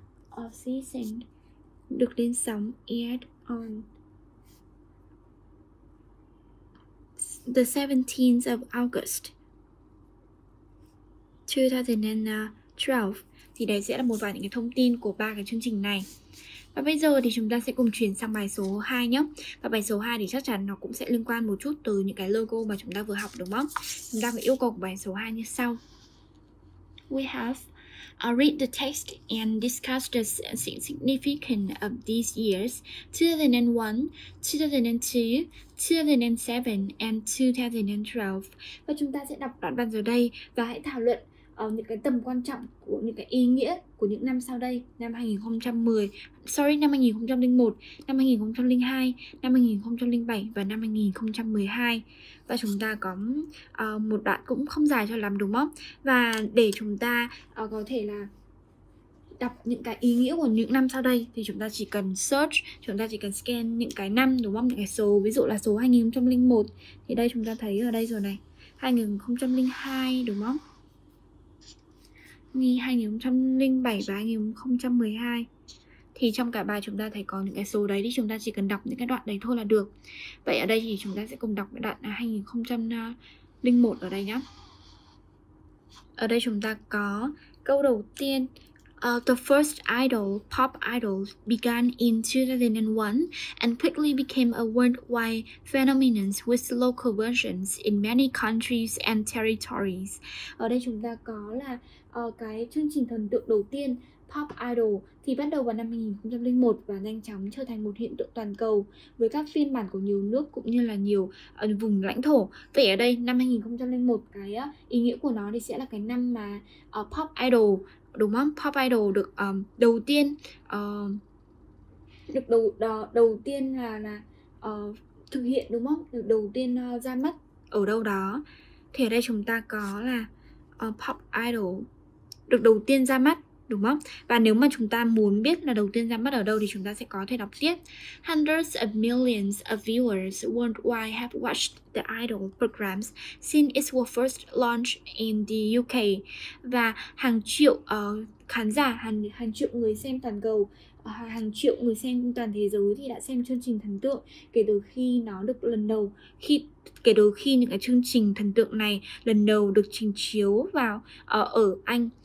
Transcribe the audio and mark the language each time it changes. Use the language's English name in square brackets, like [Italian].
[English] Of season [Vietnamese] được lên sóng [English] aired on the 17th of August 2012. [Vietnamese] Thì đấy sẽ là một vài những cái thông tin của ba cái chương trình này. Và bây giờ thì chúng ta sẽ cùng chuyển sang bài số 2 nhé. Và bài số 2 thì chắc chắn nó cũng sẽ liên quan một chút từ những cái logo mà chúng ta vừa học đúng không? Chúng ta phải yêu cầu của bài số 2 như sau. [English] We have read the text and discuss the significance of these years 2001, 2002, 2007 and 2012. [Vietnamese] Và chúng ta sẽ đọc đoạn văn dưới đây và hãy thảo luận những cái tầm quan trọng của những cái ý nghĩa của những năm sau đây, năm 2001, năm 2002, năm 2007 và năm 2012. Và chúng ta có một đoạn cũng không dài cho lắm đúng không? Và để chúng ta có thể là đọc những cái ý nghĩa của những năm sau đây thì chúng ta chỉ cần search, chúng ta chỉ cần scan những cái năm đúng không? Những cái số, ví dụ là số 2001 thì đây chúng ta thấy ở đây rồi này. 2002 đúng không? 2007 và 2012. Thì trong cả bài chúng ta thấy có những cái số đấy thì chúng ta chỉ cần đọc những cái đoạn đấy thôi là được. Vậy ở đây thì chúng ta sẽ cùng đọc đoạn 2001 ở đây nhá. Ở đây chúng ta có câu đầu tiên. [English] The first idol, pop idol, began in 2001 and quickly became a worldwide phenomenon with local versions in many countries and territories. [Vietnamese] Ở đây chúng ta có là cái chương trình thần tượng đầu tiên, pop idol, thì bắt đầu vào năm 2001 và nhanh chóng trở thành một hiện tượng toàn cầu với các phiên bản của nhiều nước cũng như là nhiều vùng lãnh thổ. Vậy ở đây, năm 2001, cái ý nghĩa của nó thì sẽ là cái năm mà pop idol, đúng không? Pop idol được đầu tiên được đầu tiên là thực hiện đúng không? Được đầu tiên ra mắt ở đâu đó. Thì ở đây chúng ta có là pop idol được đầu tiên ra mắt đúng không? Và nếu mà chúng ta muốn biết là đầu tiên ra mắt ở đâu thì chúng ta sẽ có thể đọc tiếp. [English] Hundreds of millions of viewers worldwide have watched the idol programs since it was first launched in the UK. [Vietnamese] Và hàng triệu khán giả, hàng triệu người xem toàn cầu, hàng triệu người xem toàn thế giới thì đã xem chương trình thần tượng kể từ khi nó được lần đầu kể từ khi những cái chương trình thần tượng này lần đầu được trình chiếu vào ở Anh.